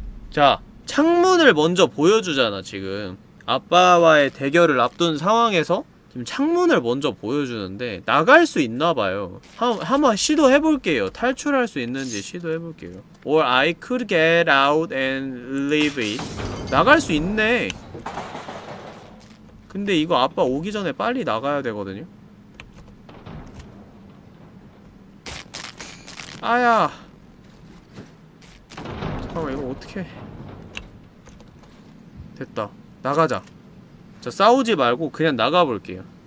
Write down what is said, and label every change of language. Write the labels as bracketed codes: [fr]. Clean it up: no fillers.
[ko] 자, 창문을 먼저 보여주잖아, 지금. 아빠와의 대결을 앞둔 상황에서 지금 창문을 먼저 보여주는데 나갈 수 있나봐요. 한번 시도해볼게요. 탈출할 수 있는지 시도해볼게요. [en] Or I could get out and leave it. [ko] 나갈 수 있네. 근데 이거 아빠 오기 전에 빨리 나가야 되거든요. 아야, 잠깐만, 이거 어떻게 해. 됐다, 나가자. 자, 싸우지 말고 그냥 나가볼게요.